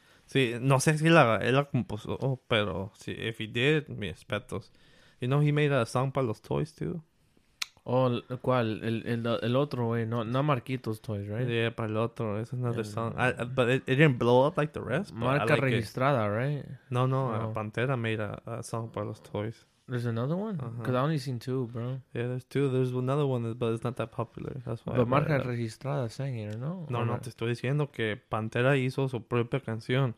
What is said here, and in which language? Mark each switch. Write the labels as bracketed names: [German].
[Spanish] Sí, no sé si él la compuso, pero sí, [English] if he did, [Spanish] mis respetos. [English] You know, he made a song [Spanish] para los Toys, [English] too. [Spanish] Oh, ¿cuál? El otro, güey. No, no Marquitos Toys, right? [English] Yeah, [Spanish] para el otro. [English] It's another song. But it didn't blow up like the rest. [Spanish] Marca [English] like registrada, it. Right? No, no. Oh. Pantera made a song [Spanish] para los Toys. [English] There's another one? Because I only seen two, bro. Yeah, there's two. There's another one, but it's not that popular. That's why. But Marca Registrada sang it, ¿no? No, or no. [Spanish] Te estoy diciendo que Pantera hizo su propia canción.